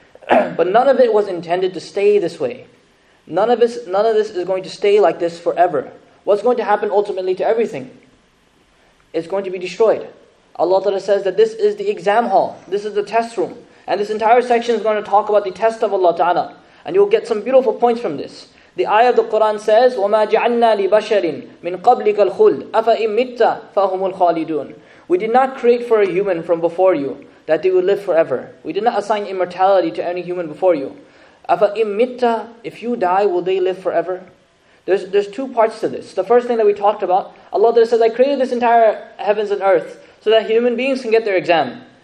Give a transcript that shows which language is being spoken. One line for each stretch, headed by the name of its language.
English: But none of it was intended to stay this way. None of this is going to stay like this forever. What's going to happen ultimately to everything? It's going to be destroyed. Allah ta'ala says that this is the exam hall. This is the test room. And this entire section is going to talk about the test of Allah ta'ala. And you'll get some beautiful points from this. The ayah of the Quran says,
Arabic: وَمَا جَعَلْنَا لِبَشَرٍ مِنْ قَبْلِكَ الْخُلْدِ أَفَإِمْ مِتَّ فَهُمُ الْخَالِدُونَ.
English: We did not create for a human from before you that they would live forever. We did not assign immortality to any human before you.
Arabic: أَفَإِمْ مِتَّ,
English: if you die, will they live forever? There's two parts to this. The first thing that we talked about, Allah there says, I created this entire heavens and earth so that human beings can get their exam.